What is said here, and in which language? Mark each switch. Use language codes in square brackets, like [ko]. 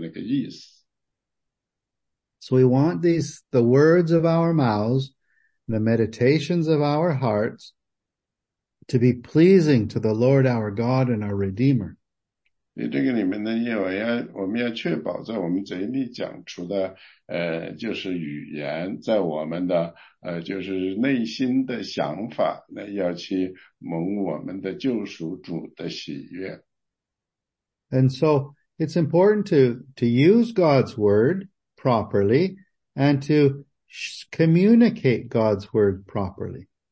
[zh] 所以呢，你仅仅是只把那个词讲出来，并不是代表你已经表达了你要说的那个意思。So [en] we want these the words of our mouths, the meditations of our hearts, to be pleasing to the Lord our God and our Redeemer. [zh] 因为这个里面呢，因为我们要确保在我们嘴里讲出的，就是语言在我们的，就是内心的想法，那要去蒙我们的救赎主的喜悦。And [en] so it's important to use God's word properly and to communicate God's word properly.